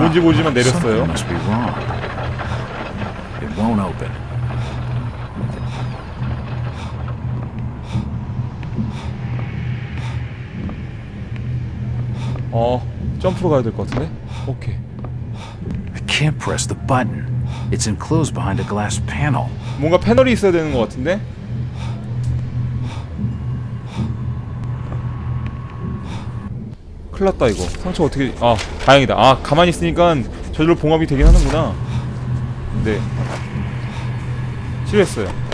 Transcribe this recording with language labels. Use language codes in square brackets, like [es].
[ko] 뭔지 모르지만 내렸어요. It won't open. 어, 점프로 가야 될 것 같은데? 오케이. [en] I can't press the button. It's enclosed behind a glass panel. [ko] 뭔가 패널이 있어야 되는 것 같은데? 큰일 났다 이거. 상처 어떻게? 아, 다행이다. 아, 가만히 있으니까 저절로 봉합이 되긴 하는구나. 네. 실했어요.